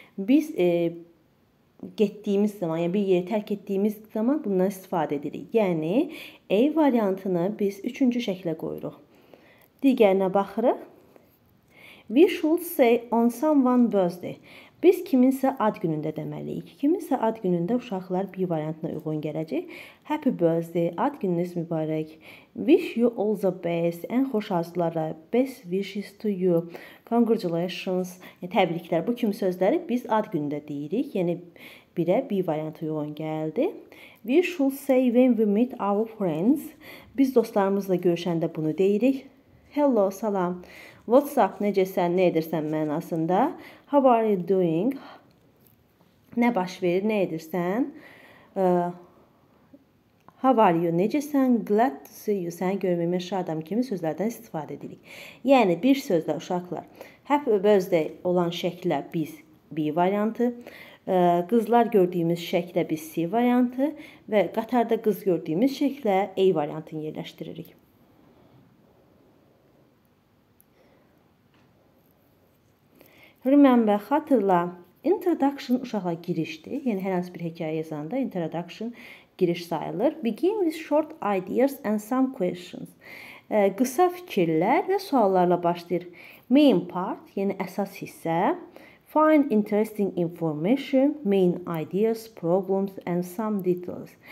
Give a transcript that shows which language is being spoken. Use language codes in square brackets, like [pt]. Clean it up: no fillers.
[az] Biz getdiyimiz zaman, yəni bir yeri tərk etdiyimiz zaman bundan istifadə edirik. Yəni, A variantını biz üçüncü şəklə qoyuruq. Digərinə baxırıq. [en] We should say on someone's birthday. [az] Biz kiminsə ad günündə deməliyik. Kiminsə ad günündə uşaqlar bir variantına uyğun gələcək. [en] Happy birthday, [az] ad gününüz mübarək. [en] Wish you all the best, [az] ən xoş arzulara. [en] Best wishes to you. Congratulations, [az] təbriklər. Bu kimi sözləri biz ad günündə deyirik. Yəni, birə bir variantına uyğun gəldi. [en] We should say when we meet our friends. [az] Biz dostlarımızla görüşəndə bunu deyirik. Hello, salam. [en] What's up, [az] necə sən, nə edirsən mənasında? [en] How are you doing? [az] Nə baş verir, nə edirsən? [en] How are you, [az] necə sən? [en] Glad to see you, [az] sən görməyəm, şadam kimi sözlərdən istifadə edirik. Yəni, bir sözlə uşaqlar, happy birthday olan şəklə biz bir variantı, qızlar gördüyümüz şəklə biz C variantı və qatarda qız gördüyümüz şəklə A variantını yerləşdiririk. Remember, xatırla, introduction uşaqla girişdir. Yəni, hər hansı bir hekayə yazanda introduction giriş sayılır. [en] Begin with short ideas and some questions. [az] Qısa fikirlər və suallarla başlayır. Main part, yəni əsas hissə. [en] Find interesting information, main ideas, problems and some details.